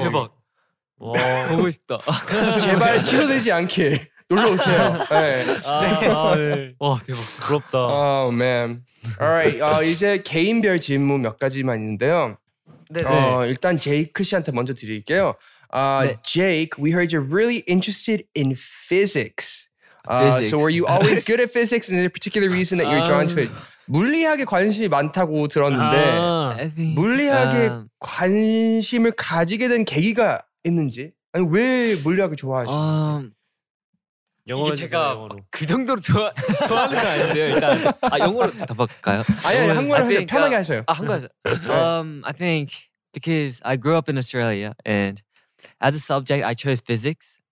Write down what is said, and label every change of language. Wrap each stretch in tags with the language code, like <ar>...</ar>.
<ko>대박. 와, 보고 싶다. 제발 취소되지 않게 놀러 오세요. 네. 네. 와, 대박. 부럽다.</ko> <en>Oh man. Alright,</en> <ko>이제 개인별 질문 몇 가지만 있는데요. 네. 일단 제이크 씨한테 먼저 드릴게요.</ko> <en>Jake, we heard you're really interested in physics. Physics. So were you always good at physics? Is there a particular reason that you're drawn to it?</en> <ko>물리학에 관심이 많다고 들었는데 물리학에 관심을 가지게 된 계기가 있는지 아니 왜 물리학을 좋아하시는지. 영어로 이게 제가 영어로. 그 정도로 좋아하는 건 아닌데요. 일단 아 영어로 답할까요? 아니요 한국어로 하세요. 편하게 하세요. 아 한국어로 하세요.</ko> <en>I think because I grew up in Australia and as a subject I chose physics.</en>